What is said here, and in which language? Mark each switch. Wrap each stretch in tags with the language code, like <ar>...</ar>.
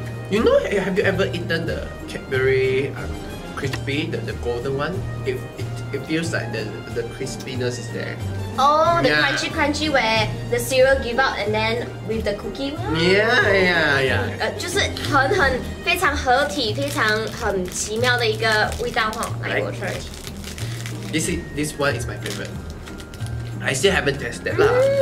<en>You know, have you ever eaten the Cadbury crispy, the golden one? It feels like the crispiness is there. Oh, the crunchy where the cereal give out and then with the cookie. Yeah.</en> <zh>就是很非常合体，非常很奇妙的一个味道哈。来，我 try.</zh> <en>This one is my favorite. I still haven't tested lah.</en>